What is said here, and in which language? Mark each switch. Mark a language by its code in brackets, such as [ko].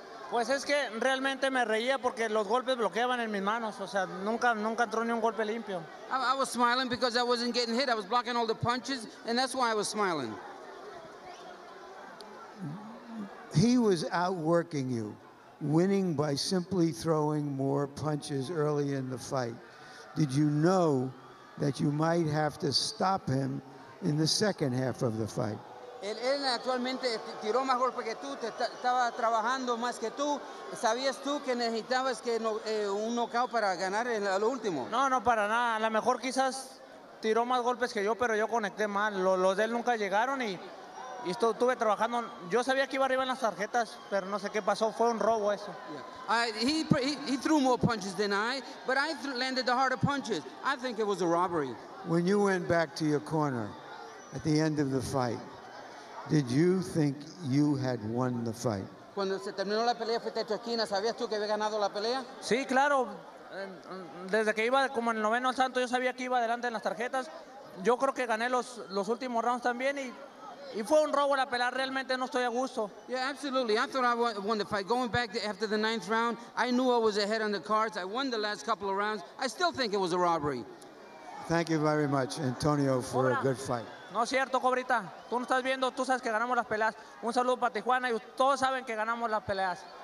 [es] Pues es que realmente me reía porque los golpes bloqueaban en mis manos, o sea, nunca entró ni un golpe limpio. [en] I was smiling because I wasn't getting hit. I was blocking all the punches, and that's why I was smiling. He was outworking you, winning by simply throwing more punches early in the fight. Did you know that you might have to stop him in the second half of the fight? [es] Él actualmente tiró más golpes que tú, estaba trabajando más que tú. ¿Sabías tú que necesitabas un knockout para ganar en lo último? No, para nada. A lo mejor quizás tiró más golpes que yo, pero yo conecté mal. Los de él nunca llegaron y estuve trabajando. Yo sabía que iba arriba en las tarjetas, pero no sé qué pasó. Fue un robo eso. [en] Yeah. He threw more punches than I, but I landed the harder punches. I think it was a robbery. When you went back to your corner at the end of the fight, did you think you had won the fight? [es] Cuando se terminó la pelea, fuiste a tu esquina, ¿sabías tú que había ganado la pelea? Sí, claro. Desde que iba como en el noveno al santo, yo sabía que iba adelante en las tarjetas. Yo creo que gané los últimos rounds también y fue un robo la pelea. Realmente no estoy a gusto. [en] Yeah, absolutely. I thought I won the fight. Going back after the ninth round, I knew I was ahead on the cards. I won the last couple of rounds. I still think it was a robbery. Thank you very much, Antonio, for a good fight. [es] No es cierto, Cobrita. Tú no estás viendo, tú sabes que ganamos las peleas. Un saludo para Tijuana y todos saben que ganamos las peleas.